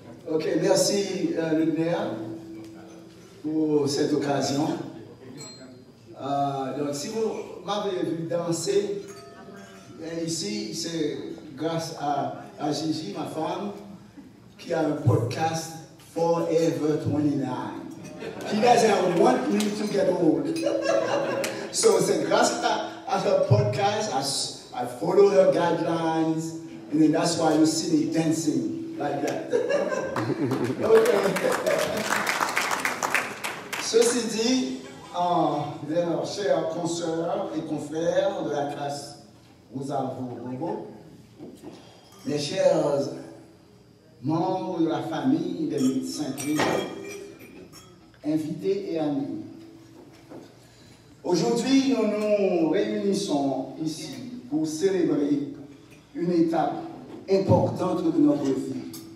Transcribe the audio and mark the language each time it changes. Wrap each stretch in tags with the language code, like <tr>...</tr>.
<fr>Ok, merci Ludmilla pour cette occasion. Donc, si vous m'avez vu danser, ici, c'est grâce à Gigi, ma femme, qui a un podcast Forever 29.</fr> <en>She doesn't want me to get old. So,</en> <fr>c'est grâce à</fr> <en>her podcast, I follow her guidelines, and then that's why you see me dancing. Like that.</en> <fr>Ceci dit, chers consoeurs et confrères de la classe, vous avez bonjour. Mes chers membres de la famille des médecins clients, invités et amis, aujourd'hui nous nous réunissons ici pour célébrer une étape importante de notre vie.</fr>